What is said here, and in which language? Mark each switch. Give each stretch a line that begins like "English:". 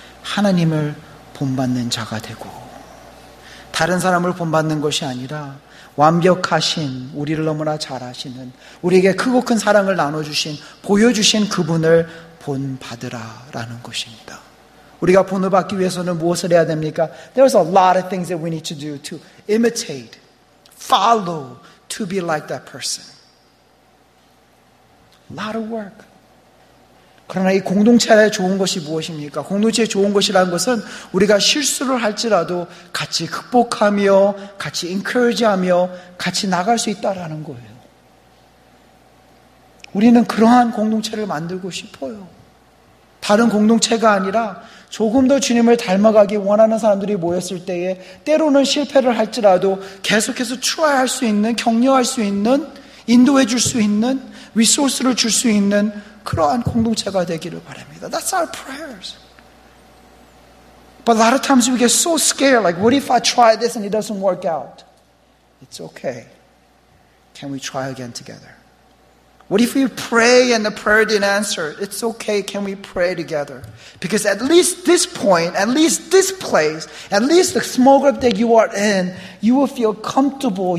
Korean: 하나님을 본받는 자가 되고 다른 사람을 본받는 것이 아니라 완벽하신 우리를 너무나 잘 아시는 우리에게 크고 큰 사랑을 나눠주신 보여주신 그분을 본받으라라는 것입니다. 우리가 본을 받기 위해서는 무엇을 해야 됩니까?
English: There's a lot of things that we need to do to imitate, follow, to be like that person. Lot of work.
Korean: 그러나 이 공동체의 좋은 것이 무엇입니까? 공동체의 좋은 것이라는 것은 우리가 실수를 할지라도 같이 극복하며 같이 encourage하며 같이 나갈 수 있다라는 거예요. 우리는 그러한 공동체를 만들고 싶어요. 다른 공동체가 아니라 조금 더 주님을 닮아가기 원하는 사람들이 모였을 때에 때로는 실패를 할지라도 계속해서 추아할 수 있는, 격려할 수 있는, 인도해 줄 수 있는, 리소스를 줄 수 있는 그러한 공동체가 되기를 바랍니다.
English: That's our prayers. But a lot of times we get so scared. Like, what if I try this and it doesn't work out? It's okay. Can we try again together? What if we pray and the prayer didn't answer? It's okay. Can we pray together? Because at least this point, at least this place, at least the small group that you are in, you will feel comfortable.